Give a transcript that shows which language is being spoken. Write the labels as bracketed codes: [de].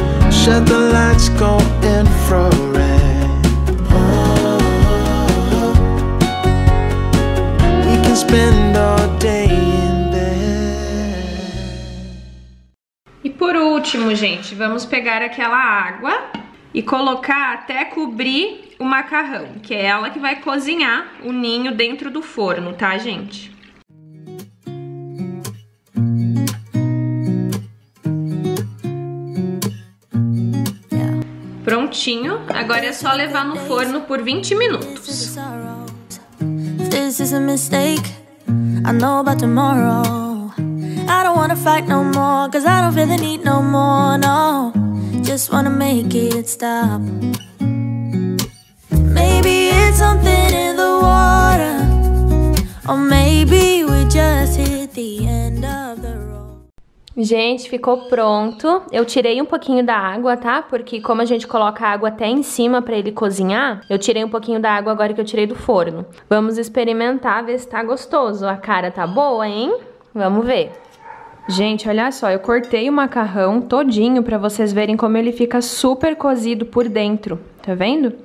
[en] Shut the lights, go infrared. We can spend our day in bed. [pt] E por último, gente, vamos pegar aquela água e colocar até cobrir o macarrão, que é ela que vai cozinhar o ninho dentro do forno, tá, gente? Prontinho, agora é só levar no forno por 20 minutos. [en] This is a mistake. I know about tomorrow. I don't wanna fight no more, cause I don't feel the need no more, no. Just wanna make it stop. Maybe it's something in the water, or maybe we just hit the end of the road. [pt] Gente, ficou pronto. Eu tirei um pouquinho da água, tá? Porque como a gente coloca a água até em cima pra ele cozinhar, eu tirei um pouquinho da água agora que eu tirei do forno. Vamos experimentar, ver se tá gostoso. A cara tá boa, hein? Vamos ver. Gente, olha só, eu cortei o macarrão todinho pra vocês verem como ele fica super cozido por dentro, tá vendo?